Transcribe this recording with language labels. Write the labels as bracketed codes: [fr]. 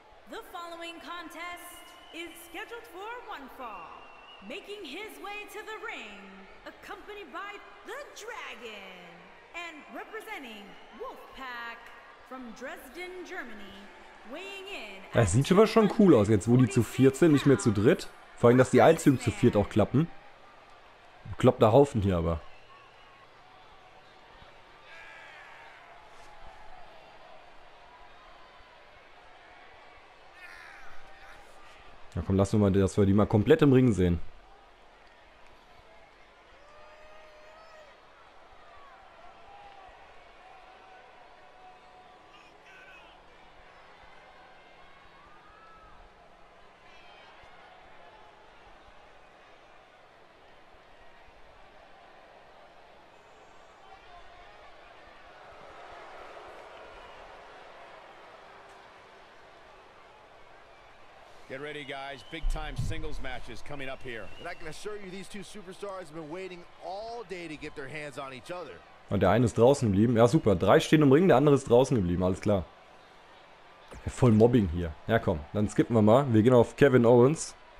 [en] The following contest is scheduled for one fall, making his way to the ring, accompanied by the Dragon, and representing Wolfpack from Dresden, Germany, weighing in. [de] Das sieht aber schon cool aus, jetzt wo die zu 14 nicht mehr zu dritt, vor allem dass die Einzüge zu viert auch klappen. Kloppt der Haufen hier aber. Na komm, lass uns mal, dass wir die mal komplett im Ring sehen. [en] Big time singles matches coming up here. And I can assure you, these two superstars have been waiting all day to get their hands on each other. [de] Und der eine ist draußen geblieben. Ja, super. 3 stehen im Ring, der andere ist draußen geblieben. Alles klar. Ja, voll Mobbing hier. Ja, komm. Dann skippen wir mal. Wir gehen auf Kevin Owens.